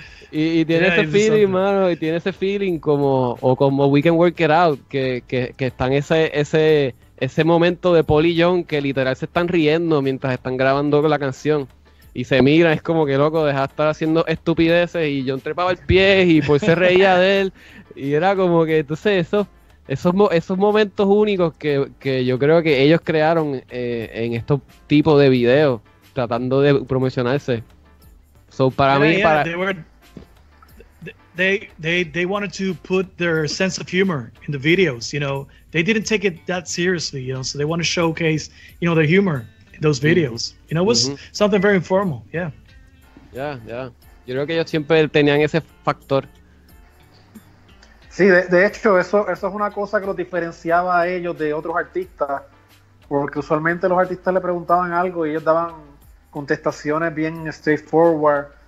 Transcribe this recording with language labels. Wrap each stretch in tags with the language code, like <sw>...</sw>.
<es>Y tiene ese feeling, mano, y tiene ese feeling como We Can Work It Out, que están ese momento de Paul y John que literal se están riendo mientras están grabando la canción y se miran, es como que loco, deja de estar haciendo estupideces, y John trepaba el pie y pues se reía de él, y era como que entonces esos momentos únicos que yo creo que ellos crearon en estos tipos de videos tratando de promocionarse. So para mí, para</es> <en>they wanted to put their sense of humor in the videos, you know. They didn't take it that seriously, you know, so they want to showcase, you know, their humor in those videos. Mm-hmm. You know, it was something very informal, yeah. Yeah, yeah.</en> <es>Yo creo que ellos siempre tenían ese factor. Sí, de hecho, eso es una cosa que los diferenciaba a ellos de otros artistas, porque usualmente los artistas le preguntaban algo y ellos daban contestaciones bien straightforward.</es>